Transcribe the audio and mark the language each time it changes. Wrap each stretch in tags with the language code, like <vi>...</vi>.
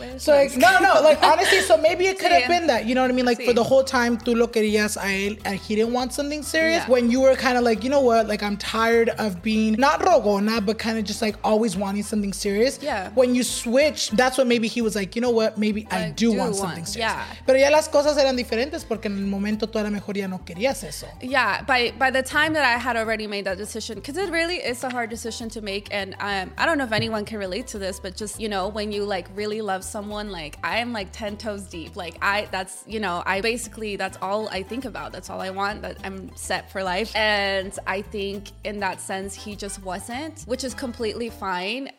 <en>So, like, no, like, honestly, so maybe it could have been that. You know what I mean? Like, for the whole time,</en> <es>tú lo querías a él,</es> <en>and he didn't want something serious. Yeah. When you were kind of like, you know what, like, I'm tired of being, not rogona, but kind of just like always wanting something serious. Yeah. When you switch, that's what maybe he was like, you know what, maybe I do want something serious. Yeah.</en> <es>Pero ya las cosas eran diferentes, porque en el momento tú a lo mejor ya no querías eso.</es> <en>Yeah, by the time that I had already made that decision, because it really is a hard decision to make, and I don't know if anyone can relate to this, but just, you know, when you like really love someone, like I am like 10 toes deep, like that's all I think about, that's all I want, that I'm set for life. And I think in that sense he just wasn't, which is completely fine.</en>